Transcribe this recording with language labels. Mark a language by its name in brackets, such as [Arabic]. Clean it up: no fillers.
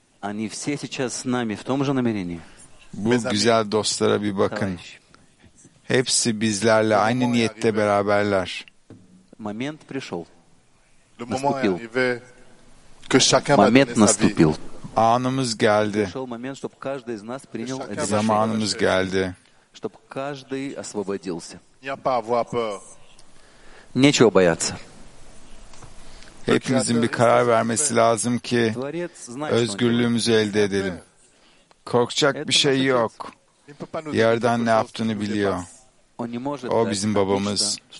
[Russian] Они все сейчас с нами в том же намерении. [Turkish] Bu güzel dostlara bir bakın. Hepsi bizlerle aynı niyette beraberler. [Russian] Момент пришел. Момент наступил. [Turkish] Anımız geldi. [Russian] Пришел момент, чтобы каждый из нас принял это решение. [Turkish] Zamanımız geldi. [Russian] Чтобы каждый освободился. Не опасаться. Нечего бояться. [Turkish] Hepimizin bir karar vermesi lazım ki özgürlüğümüzü elde edelim. Korkacak bir şey yok. Yerden ne yaptığını biliyor. O bizim babamız.